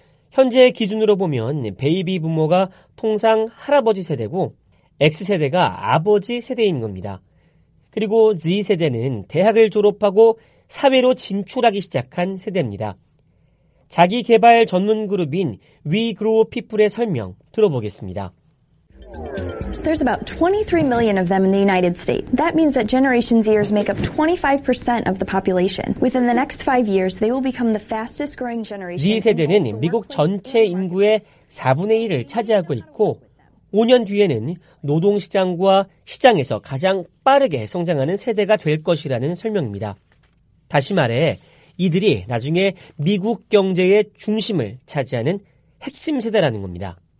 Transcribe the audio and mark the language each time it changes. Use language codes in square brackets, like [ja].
[ko] 현재 기준으로 보면 베이비 부모가 통상 할아버지 세대고 X세대가 아버지 세대인 겁니다. 그리고 Z세대는 대학을 졸업하고 사회로 진출하기 시작한 세대입니다. 자기개발 전문 그룹인 We Grow People의 설명 들어보겠습니다. [en] There's about 23 million of them in the United States. That means that Generation Zers make up 25% of the population. Within the next 5 years, they will become the fastest growing generation. [ko] Z세대는 미국 전체 인구의 4분의 1을 차지하고 있고 5년 뒤에는 노동시장과 시장에서 가장 빠르게 성장하는 세대가 될 것이라는 설명입니다. 다시 말해 이들이 나중에 미국 경제의 중심을 차지하는 핵심 세대라는 겁니다.